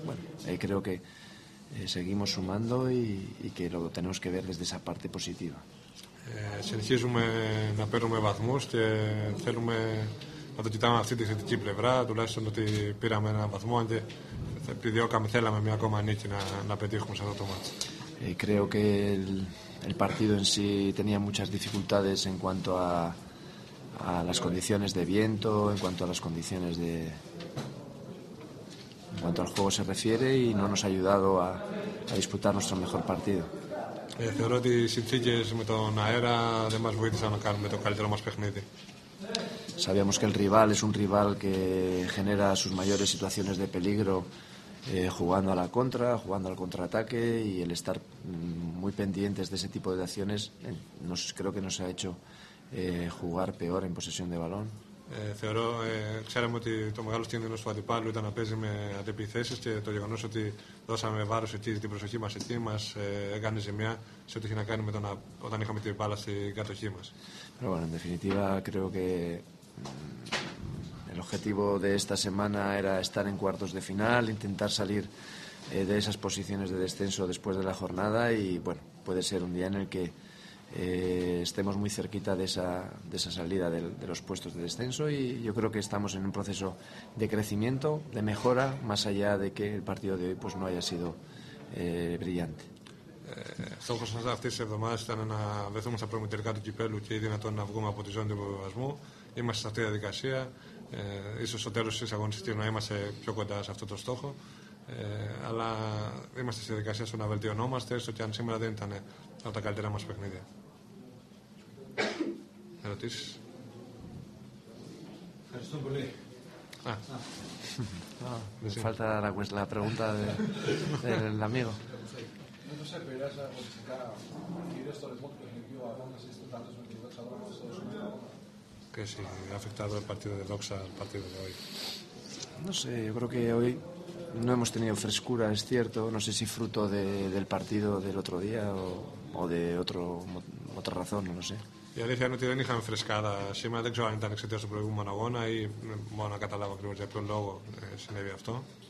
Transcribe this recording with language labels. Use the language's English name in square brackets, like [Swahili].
[Spanish] Bueno, creo que seguimos sumando y que lo tenemos que ver desde esa parte positiva. [Greek] Συνεχίζουμε να παίρνουμε βαθμούς και θέλουμε να το κοιτάμε αυτή τη θετική πλευρά, τουλάχιστον ότι πήραμε ένα βαθμό και επιδιώκαμε, θέλαμε μια ακόμα νίκη να πετύχουμε σε αυτό το μάτς. [Spanish] Creo que el partido en sí tenía muchas dificultades en cuanto a las condiciones de viento, en cuanto a las condiciones de en cuanto al juego se refiere y no nos ha ayudado a disputar nuestro mejor partido. [Greek] Θεωρώ ότι οι συνθήκες με τον αέρα δεν μας βοήθησαν να κάνουμε το καλύτερο μας παιχνίδι. [Spanish] Sabíamos que el rival es un rival que genera sus mayores situaciones de peligro jugando a la contra, jugando al contraataque y el estar muy pendientes de ese tipo de acciones creo que nos ha hecho jugar peor en posesión de balón. [Greek] Θεωρώ, ξέραμε ότι το μεγάλο κίνδυνο του αντιπάλου ήταν να παίζει με αντεπιθέσεις και το γεγονός ότι δώσαμε βάρος εκεί, την προσοχή μας εκεί, μας έκανε ζημιά σε ό,τι είχε να κάνει με το όταν είχαμε την μπάλα στην κατοχή μας. [Spanish] Pero bueno, en definitiva, creo que el objetivo de esta semana era estar en cuartos de final, intentar salir de esas posiciones de descenso después de la jornada y bueno, puede ser un día en el que estemos muy cerquita de esa salida de los puestos de descenso y yo creo que estamos en un proceso de crecimiento, de mejora, más allá de que el partido de hoy pues no haya sido brillante. [Greek] Στόχος μας αυτής της εβδομάδας ήταν να βρεθούμε στα προημιτελικά του κυπέλου και ή δυνατόν να βγούμε από τη ζώνη του υποβιβασμού. Είμαστε σε αυτή τη διαδικασία. Ίσως στο τέλος της αγωνιστικής να είμαστε πιο κοντά σε αυτό το στόχο. Αλλά είμαστε στη διαδικασία στο να βελτιωνόμαστε, έστω και αν σήμερα δεν ήταν από τα καλύτερα μας παιχνίδια. Ερωτήσεις? Ευχαριστώ πολύ. [Spanish] Me falta la pregunta del amigo. ¿Qué si ha afectado el partido de Doxa al partido de hoy? No sé, yo creo que hoy no hemos tenido frescura, es cierto. No sé si fruto del partido del otro día o de otra razón, no lo sé. [Greek] Η αλήθεια είναι ότι δεν είχαμε φρεσκάδα σήμερα. Δεν ξέρω αν ήταν εξαιτίας του προηγούμενου αγώνα ή μόνο να καταλάβω ακριβώς για ποιο λόγο συνέβη αυτό.